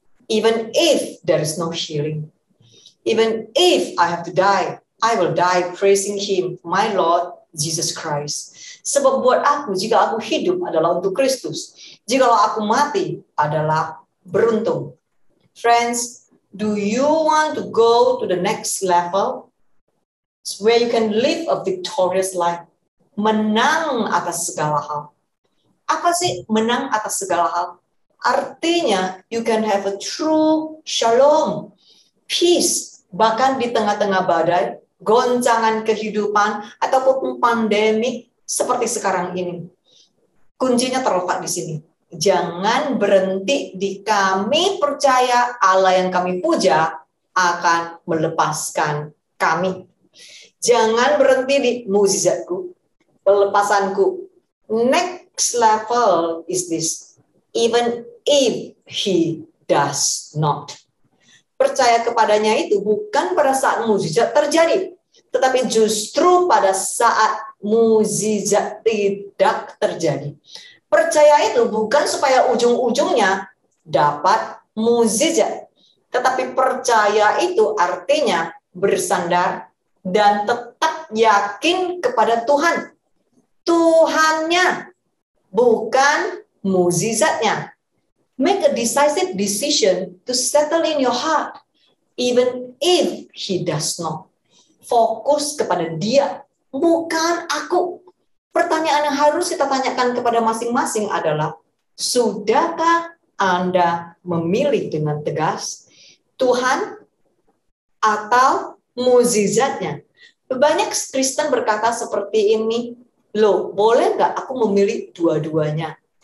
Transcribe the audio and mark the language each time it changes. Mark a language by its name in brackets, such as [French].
[English] Even if there is no healing. Even if I have to die, I will die praising him, my Lord Jesus Christ. [Indonesian] Sebab buat aku, jika aku hidup adalah untuk Kristus. Jikalau aku mati adalah beruntung. [English] Friends, do you want to go to the next level? Where you can live a victorious life. [Indonesian] Menang atas segala hal. Apa sih menang atas segala hal? [English] Artinya, you can have a true shalom. [Indonesian] Peace, bahkan di tengah-tengah badai, goncangan kehidupan, ataupun pandemi seperti sekarang ini. Kuncinya terletak di sini. Jangan berhenti di kami percaya Allah yang kami puja akan melepaskan kami. Jangan berhenti di mukjizatku, pelepasanku. [English] Next level is this, even if he does not. [Indonesian] Percaya kepadanya itu bukan pada saat mukjizat terjadi, tetapi justru pada saat mukjizat tidak terjadi. Percaya itu bukan supaya ujung-ujungnya dapat mukjizat, tetapi percaya itu artinya bersandar dan tetap yakin kepada Tuhan. Tuhannya, bukan mukjizatnya. [English] Make a decisive decision to settle in your heart, even if he does not. [Indonesian] Fokus kepada dia, bukan aku. Pertanyaan yang harus kita tanyakan kepada masing-masing adalah, sudahkah Anda memilih dengan tegas Tuhan atau mukjizatnya? Banyak Kristen berkata seperti ini, loh, boleh nggak aku memilih dua-duanya?